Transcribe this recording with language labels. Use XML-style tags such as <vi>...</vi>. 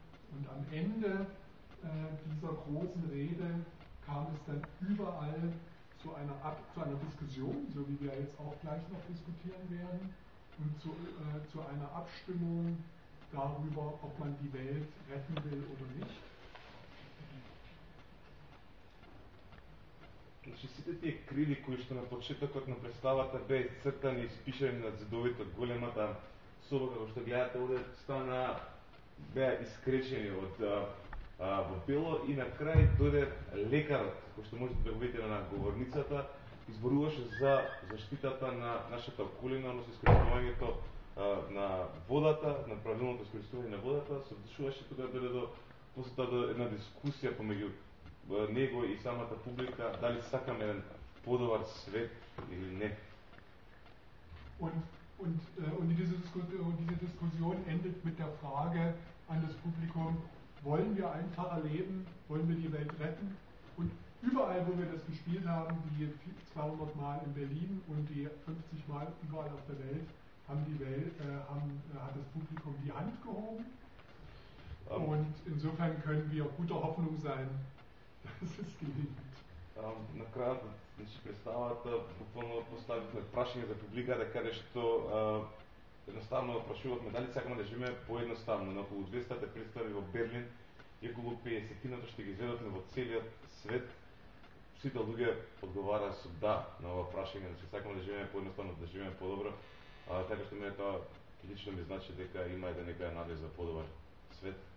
<de>Und am Ende dieser großen Rede kam es dann überall zu einer Diskussion, so wie wir jetzt auch gleich noch diskutieren werden, und zu einer Abstimmung darüber, ob man die Welt retten will oder nicht.</de> <mk>Значи, сите тие криви кои што на почетокот на представата беа изцртани и испишани на зидовите од големата соба, како што гледате овде, беа искречени од во бело и на крај дојде лекарот, кој што можете да го видите на говорницата, изборуваше за заштитата на нашата околина, но со искречувањето на водата, на правилното искористување на водата, се одлучуваше тога да дојде до посета до една дискусија помеѓу него и самата публика, дали сакаме еден подобар свет или не.</mk> <de>Und diese Diskussion endet mit der Frage an das Publikum: Wollen wir einfacher leben? Wollen wir die Welt retten? Und überall, wo wir das gespielt haben, die 200 Mal in Berlin und die 50 Mal überall auf der Welt, hat das Publikum die Hand gehoben. Und insofern können wir guter Hoffnung sein, dass es gelingt.</de> <mk>На крајот, значи, представата буквално поставивме прашање за публиката, каде што едноставно прашувавме дали сакаме да живееме поедноставно на околу 200 представи во Берлин и околу 50-тината што ги изведовме во целиот свет. Сите луѓе одговараа со да на ова прашање, значи сакаме да живееме поедноставно, да живееме подобро, така што мене тоа лично ми значи дека има еден некоја надеж за подобар свет.</mk>